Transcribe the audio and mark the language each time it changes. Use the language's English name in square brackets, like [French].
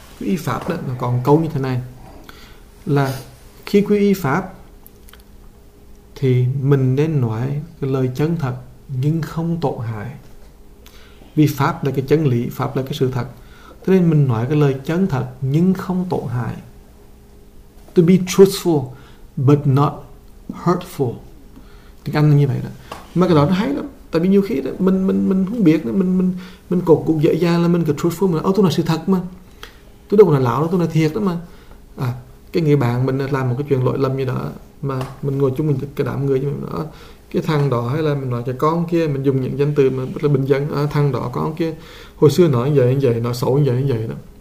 [Vietnamese] Quy y pháp đó nó còn câu như thế này là khi quy y pháp thì mình nên nói cái lời chân thật nhưng không tổn hại. Vì pháp là cái chân lý, pháp là cái sự thật. Thế nên mình nói cái lời chân thật nhưng không tổn hại. [English] To be truthful but not hurtful. [Vietnamese] Tiếng Anh là như vậy đó. Mà cái đó nó hay lắm. Tại vì nhiều khi đó, mình không biết nữa. Mình cột cũng dễ dàng là mình cứ truthful. Ô, tôi nói sự thật mà, tôi đâu có nói lão đâu, tôi nói thiệt đó mà. À, cái người bạn mình làm một cái chuyện lỗi lầm như đó mà mình ngồi chung mình cái đám người như vậy đó, cái thằng đó, hay là mình nói cho con kia, mình dùng những danh từ mà rất là bình dân: à, thằng đó con kia hồi xưa nói như vậy, nói xấu như vậy đó.